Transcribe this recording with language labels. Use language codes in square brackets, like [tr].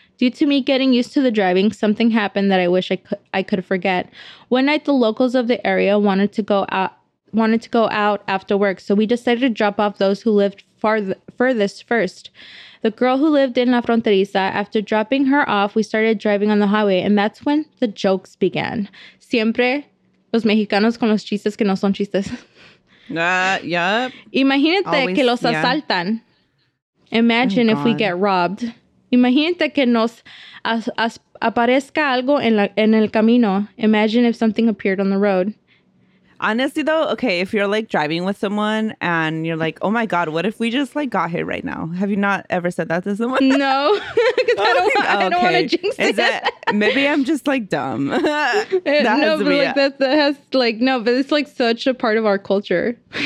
[en] Due to me getting used to the driving, something happened that I wish I could forget. One night, the locals of the area wanted to go out after work. So we decided to drop off those who lived furthest first. The girl who lived in La Fronteriza, after dropping her off, we started driving on the highway. And that's when the jokes began. [es] Siempre los mexicanos con los chistes que no son chistes. [en] Yep. [es] Imagínate [en] always, [es] que los asaltan. [en] Imagine if we get robbed. [es] Imagínate que nos aparezca algo en el camino. [en] Imagine if something appeared on the road. Honestly, though, okay, if you're, like, driving with someone and you're like, oh, my God, what if we just, like, got here right now? Have you not ever said that to someone? No. Because I don't want to jinx it. Maybe I'm just, like, dumb. But it's, like, such a part of our culture.